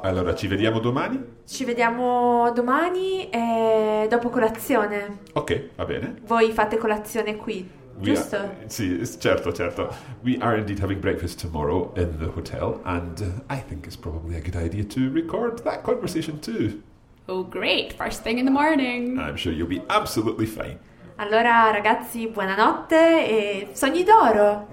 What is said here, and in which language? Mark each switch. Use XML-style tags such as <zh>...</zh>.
<it>Allora, ci vediamo domani? Ci vediamo domani e dopo colazione. Ok, va bene. Voi fate colazione qui, giusto? Sì, certo, certo.</it> <en>We are indeed having breakfast tomorrow in the hotel and I think it's probably a good idea to record that conversation too. Oh, great, first thing in the morning. I'm sure you'll be absolutely fine.</en> <it>Allora, ragazzi, buonanotte e sogni d'oro.</it>